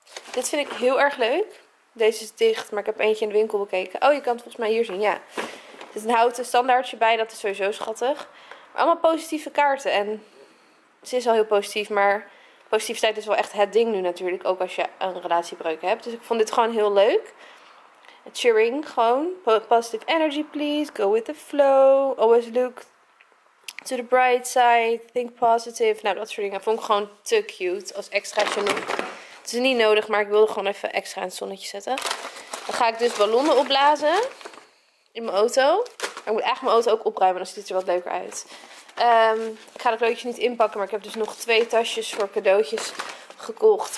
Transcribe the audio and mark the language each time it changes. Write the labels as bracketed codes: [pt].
[nl] Dit vind ik heel erg leuk. Deze is dicht, maar ik heb eentje in de winkel bekeken. Oh, je kan het volgens mij hier zien. Ja. Er zit een houten standaardje bij. Dat is sowieso schattig. Maar allemaal positieve kaarten. En ze is al heel positief, maar... positiviteit is wel echt het ding nu natuurlijk, ook als je een relatiebreuk hebt. Dus ik vond dit gewoon heel leuk. Cheering, gewoon. [en] Positive energy, please. Go with the flow. Always look to the bright side. Think positive. [nl] Nou, dat soort dingen vond ik gewoon te cute als extra. Het is niet nodig, maar ik wilde gewoon even extra in het zonnetje zetten. Dan ga ik dus ballonnen opblazen in mijn auto. Maar ik moet eigenlijk mijn auto ook opruimen, dan ziet het er wat leuker uit. Ik ga de cadeautjes niet inpakken, maar ik heb dus nog 2 tasjes voor cadeautjes gekocht.